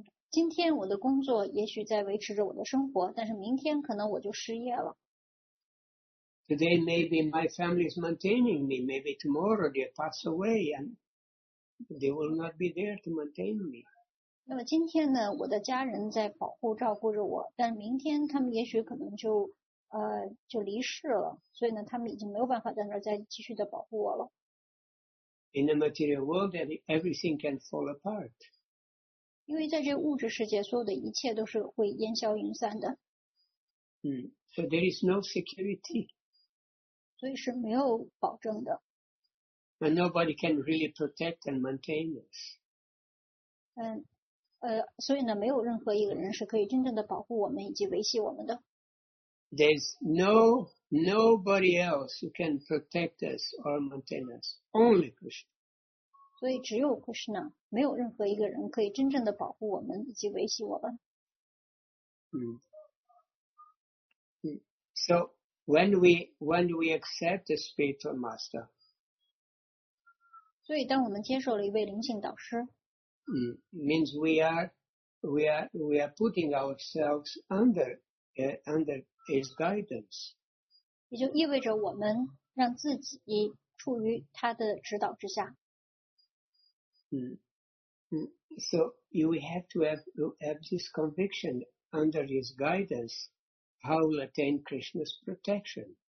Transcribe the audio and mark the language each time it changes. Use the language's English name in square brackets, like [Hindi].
[Chinese] 今天我的工作也许在维持着我的生活，但是明天可能我就失业了。 [English] Today maybe my family is maintaining me, maybe tomorrow they pass away and they will not be there to maintain me. [Chinese] 那么今天呢，我的家人在保护照顾着我，但明天他们也许可能就离世了，所以呢，他们已经没有办法在那儿再继续的保护我了。 [English] In the material world, everything can fall apart. [Chinese] 因为在这物质世界，所有的一切都是会烟消云散的。 [English] So there is no security. [Chinese] 所以是没有保证的。 [English] And nobody can really protect and maintain us. [Chinese] 所以呢，没有任何一个人是可以真正的保护我们以及维系我们的。 [English] There's nobody else who can protect us or maintain us. Only Krishna. [Chinese] 所以只有 Krishna， 没有任何一个人可以真正的保护我们以及维系我们。 [English] So when we accept the spiritual master， [Chinese] 所以当我们接受了一位灵性导师， [English] means we are putting ourselves under his guidance， [Chinese] 也就意味着我们让自己处于他的指导之下。 [English] So you have to have this conviction under his guidance, how will attain Krishna's protection.